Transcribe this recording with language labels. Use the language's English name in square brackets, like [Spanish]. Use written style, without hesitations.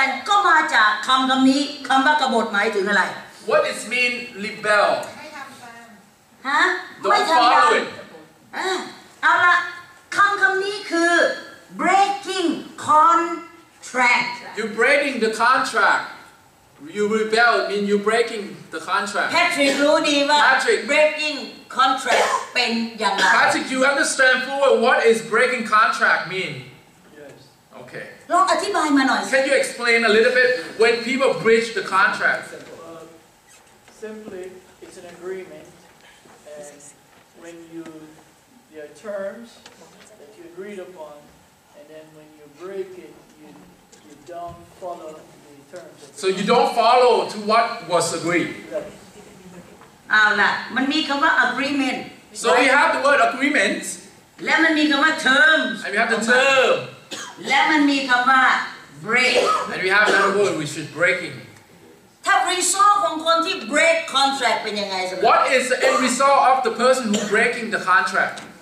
[Thai] นี่มาจากสามีของดิฉันนะคะแหมไม่น่าเชื่อเลยเอาล่ะเมื่อบวกกันเข้าด้วยกันก็มาจากคำนี้คำว่ากบฏหมายถึงอะไร [English] What does mean rebel [Thai] ฮะไม่ทำตามเอาล่ะคำนี้คือ [English] breaking contract You're breaking the contract You rebel means you're breaking the contract. [Thai] Patrick, รู้ดีว่า [English] breaking contract [Thai] เป็นอย่างไร [English] Patrick, you understand fully what is breaking contract mean? Yes. Okay. [Thai] ลองอธิบายมาหน่อย [English] Can you explain a little bit when people breach the contract? Simply, it's an agreement, and when you there are terms that you agreed upon, and then when you break it, you don't follow. So you don't follow to what was agreed. [Thai] เอาล่ะมันมีคำว่า agreement. [English] So we have the word agreement. [Thai] และมันมีคำว่า terms. [English] And we have the term. [Thai] และมันมีคำว่า break. [English] And we have another word which is breaking. [Thai] ถ้า result ของคนที่ [English] break contract [Thai] เป็นยังไงสิ [English] What is the end result of the person who breaking the contract?